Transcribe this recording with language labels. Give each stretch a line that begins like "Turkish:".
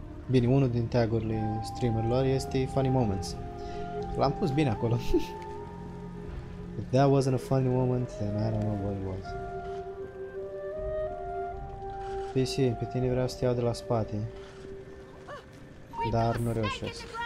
Romanian: Bine, unul din tag-urile streamerilor este Funny Moments. L-am pus bine acolo.
English: If that wasn't a funny moment, then I don't know what it was.
Romanian: PC, pe tine vreau să te iau de la spate. Dar nu reușesc.